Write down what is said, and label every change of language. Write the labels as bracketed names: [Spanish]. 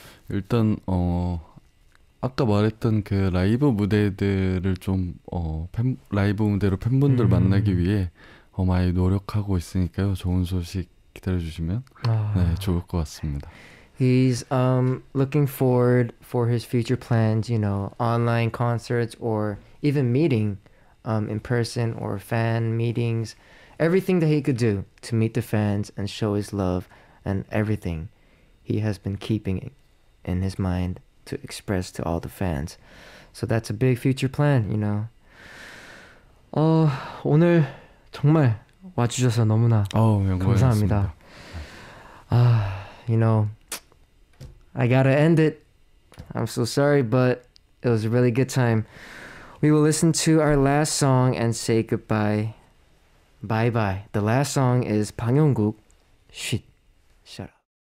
[Korean] 일단 아까 말했던 그 라이브 무대들을 좀 라이브 무대로 팬분들 만나기 위해 많이 노력하고 있으니까요. 좋은 소식 기다려주시면 네 좋을 것 같습니다. [English] He's looking forward for his future plans. You know, online concerts or even meeting in person or fan meetings. Everything that he could do to meet the fans and show his love and everything he has been keeping in his mind to express to all the fans. So that's a big future plan, you know. [Korean] 오늘 정말 와주셔서 너무나 감사합니다. [English] You know, I gotta end it. I'm so sorry, but it was a really good time. We will listen to our last song and say goodbye. Bye bye. The last song is 방영국 Shit. Shut up.